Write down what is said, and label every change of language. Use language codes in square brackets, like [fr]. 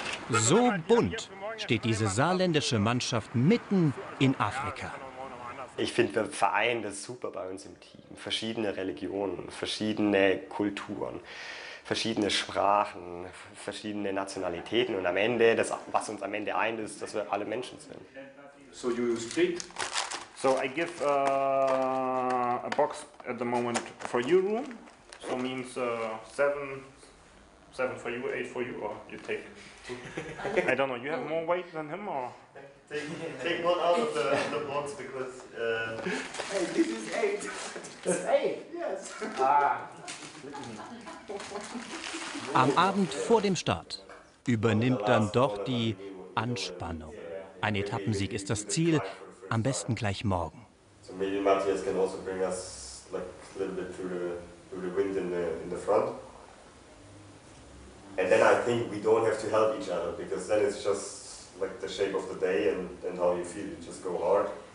[de] So bunt steht diese saarländische Mannschaft mitten in Afrika. Ich finde, wir vereinen das super bei uns im Team. Verschiedene Religionen, verschiedene Kulturen, verschiedene Sprachen, verschiedene Nationalitäten. Und am Ende, das, was uns am Ende eint, ist, dass wir alle Menschen sind. [en] So you speak. So I give a box at the moment for your room. So means seven for you, eight for you, or you take. I don't know, you have more weight than him, or? Take one out of the box, because... Hey, this is eight. That's eight? Yes. [de] Am Abend vor dem Start übernimmt dann doch die Anspannung. Ein Etappensieg ist das Ziel, am besten gleich morgen. [en] So maybe Matthias can also bring us like a little bit through the wind in the front. And then I think we don't have to help each other, because then it's just like the shape of the day and how you feel. You just go hard.